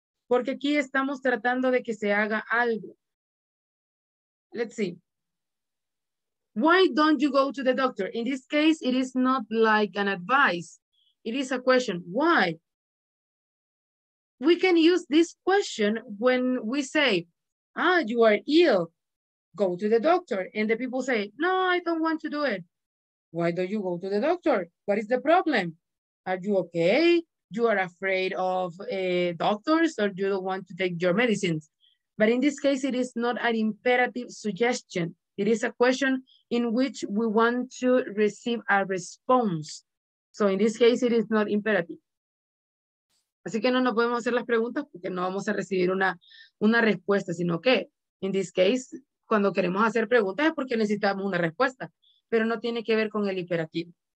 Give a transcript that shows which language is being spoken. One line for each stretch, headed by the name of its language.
Spanish: Porque aquí estamos tratando de que se haga algo.
English: Let's see. Why don't you go to the doctor? In this case, it is not like an advice. It is a question. Why? We can use this question when we say, you are ill. Go to the doctor. And the people say, no, I don't want to do it. Why don't you go to the doctor? What is the problem? Are you okay? You are afraid of doctors or you don't want to take your medicines? But in this case, it is not an imperative suggestion. It is a question in which we want to receive a response. So in this case, it is not imperative.
Spanish: Así que no nos podemos hacer las preguntas porque no vamos a recibir una respuesta, sino que
English: in this case,
Spanish: cuando queremos hacer preguntas es porque necesitamos una respuesta, pero no tiene que ver con el imperativo.